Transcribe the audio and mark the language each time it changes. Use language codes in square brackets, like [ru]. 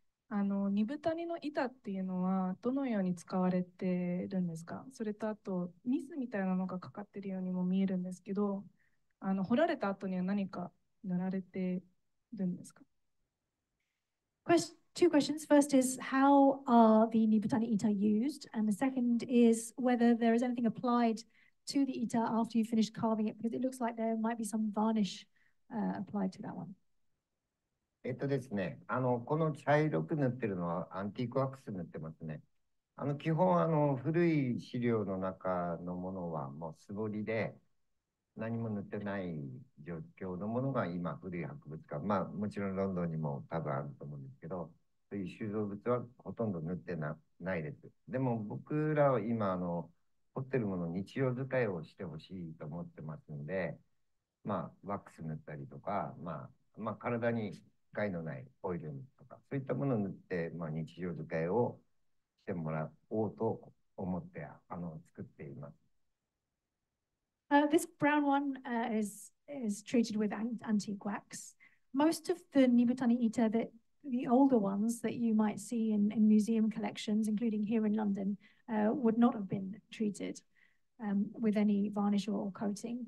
[ja] ニブタニの板っていうのはどのように使われてるんですか？それとあと、ミスみたいなのがかかってるようにも見えるんですけど、掘られた後には何か塗られてるんですか？ [en] Two questions. First is, how are the Nibutani ita used? And the second is whether there is anything applied to the ita after you finish carving it, because it looks like there might be some varnish applied to that one. [ja] ですね、この茶色く塗ってるのはアンティークワックス塗ってますね。基本古い資料の中のものはもう素彫りで何も塗ってない状況のものが今古い博物館、まあもちろんロンドンにも多分あると思うんですけど、そういう収蔵物はほとんど塗って ないです。でも僕らは今彫ってるものを日常使いをしてほしいと思ってますんで、まあワックス塗ったりとか、まあ、体に害のないオイルとか、そういったものを塗って、まあ、日常使いをしてもらおうと思って作っています。 [en] This brown one is treated with antique wax. Most of the Nibutani ita, the older ones that you might see in museum collections, including here in London, would not have been treated with any varnish or coating.